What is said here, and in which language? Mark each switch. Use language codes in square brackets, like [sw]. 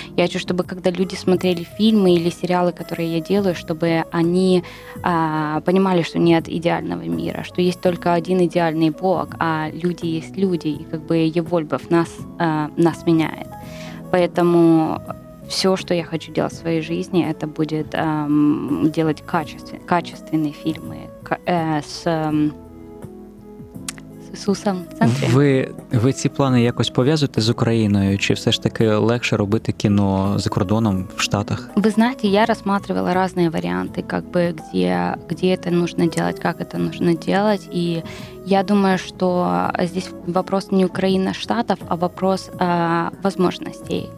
[ru] Я хочу, чтобы когда люди смотрели фильмы или сериалы, которые я делаю, чтобы они понимали, что нет идеального мира, что есть только один идеальный Бог, а люди есть люди, и как бы Его любовь нас меняет. Поэтому все, что я хочу делать в своей жизни, это будет делать качественные фильмы с Иисусом в центре. [uk] Ви ці плани якось пов'язуєте з Україною, чи все ж таки легше робити кіно за кордоном в Штатах? Ви знаєте, я розглядала різні варіанти, [ru] как бы, где это нужно делать, как это нужно делать, и я думаю, что здесь вопрос не Украина, Штатов, а вопрос возможностей.